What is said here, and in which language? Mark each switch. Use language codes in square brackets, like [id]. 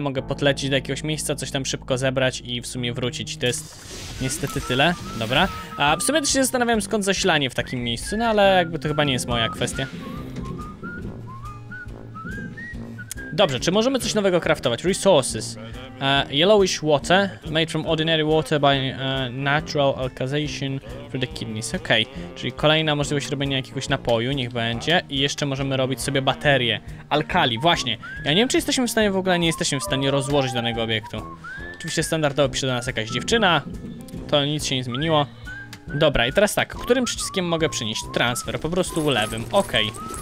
[pl] Mogę podlecieć do jakiegoś miejsca, coś tam szybko zebrać i w sumie wrócić. To jest niestety tyle. Dobra. A w sumie też się zastanawiam, skąd zasilanie w takim miejscu, no ale jakby to chyba nie jest moja kwestia. Dobrze, czy możemy coś nowego craftować? [en] Resources. Yellowish water, made from ordinary water by natural alkalization for the kidneys. [pl] Okej, czyli kolejna możliwość robienia jakiegoś napoju, niech będzie. I jeszcze możemy robić sobie baterie. Alkali, właśnie. Ja nie wiem, czy jesteśmy w stanie, w ogóle nie jesteśmy w stanie rozłożyć danego obiektu. Oczywiście standardowo pisze do nas jakaś dziewczyna. To nic się nie zmieniło. Dobra, i teraz tak, którym przyciskiem mogę przynieść? Transfer, po prostu lewym, okej.